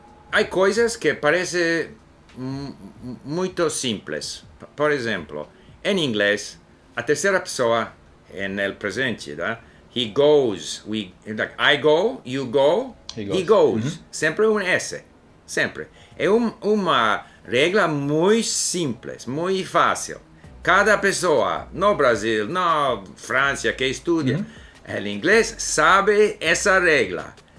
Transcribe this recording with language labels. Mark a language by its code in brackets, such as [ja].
[pt] Há coisas que parecem muito simples. Por exemplo, em inglês, a terceira pessoa é no presente, tá? [en] He goes, I go, you go, he goes. [pt] Uhum. Sempre um S, sempre. É uma regra muito simples, muito fácil. Cada pessoa no Brasil, na França, que estuda o inglês, sabe essa regra.